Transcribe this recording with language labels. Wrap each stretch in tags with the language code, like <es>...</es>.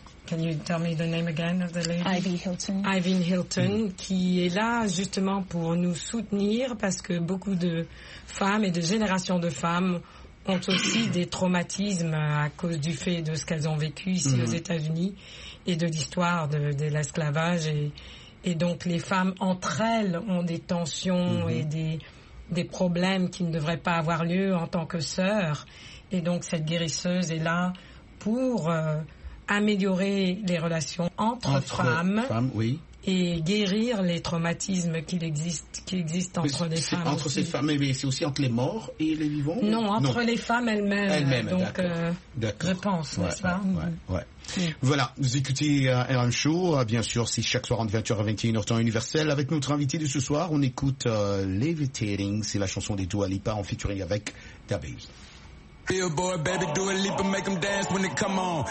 <en>Can you tell me the name again of the lady? Ivy Hilton.</en> <fr>Ivy Hilton, qui est là justement pour nous soutenir, parce que beaucoup de femmes et de générations de femmes ont aussi des traumatismes à cause du fait de ce qu'elles ont vécu ici aux États-Unis et de l'histoire de l'esclavage. Et donc les femmes entre elles ont des tensions et des problèmes qui ne devraient pas avoir lieu en tant que sœur. Et donc, cette guérisseuse est là pour améliorer les relations entre femmes et guérir les traumatismes qui existent entre les femmes. Entre ces femmes, mais c'est aussi entre les morts et les vivants? Non, entre les femmes elles-mêmes. Elles-mêmes, donc, d'accord. Je pense, n'est-ce pas? Voilà, vous écoutez RM Show, bien sûr, c'est chaque soir entre 20h et 21h temps universel. Avec notre invité de ce soir, on écoute Levitating, c'est la chanson des Dua Lipa en featuring avec DaBaby.</fr> <en>Billboard, baby, do a leap and make them dance when they come on.</en>